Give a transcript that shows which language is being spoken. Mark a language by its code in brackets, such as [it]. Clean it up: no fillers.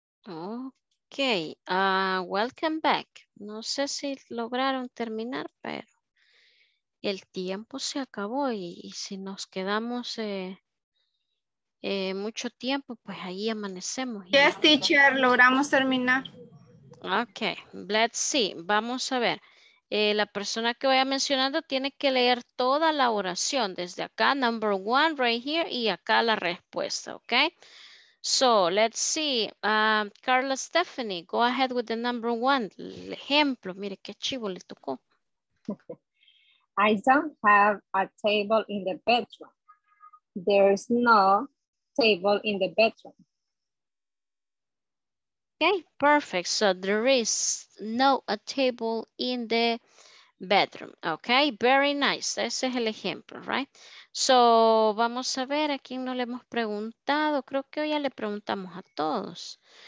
[en] Okay, welcome back. [es] No sé si lograron terminar, pero el tiempo se acabó y si nos quedamos mucho tiempo, pues ahí amanecemos. [en] Yes, teacher, [es] logramos terminar. [en] Okay, let's see. [es] Vamos a ver. La persona que vaya mencionando tiene que leer toda la oración desde acá, [en] number one right here, [es] y acá la respuesta, okay? [en] So, let's see. Carla Stephanie, go ahead with the number one. [es] El ejemplo, mire qué chivo le tocó. [en] I don't have a table in the bedroom. There's no table in the bedroom. Okay, perfect. So there is no a table in the bedroom. Okay, very nice. [es] Ese es el ejemplo, right? So vamos a ver a quién no le hemos preguntado. Creo que hoy ya le preguntamos a todos.